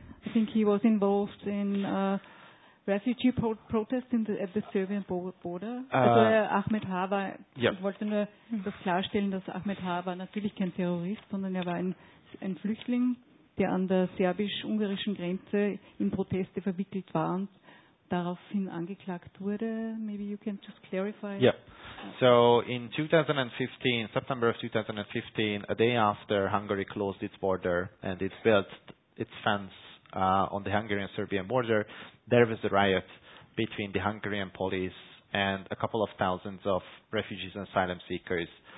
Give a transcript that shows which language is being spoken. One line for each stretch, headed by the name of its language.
English: I think he was involved in refugee protest at the Serbian border.
German: Also Ahmed Ha war. Yep. Ich wollte nur das klarstellen, dass Ahmed Ha war natürlich kein Terrorist, sondern er war ein Flüchtling, der an der serbisch-ungarischen Grenze in Proteste verwickelt war. Daraufhin angeklagt wurde.
English: Maybe you can just clarify. Yeah. So in 2015, September of 2015, a day after Hungary closed its border and it built its fence on the Hungarian-Serbian border, there was a riot between the Hungarian police and a couple of thousands of refugees and asylum seekers.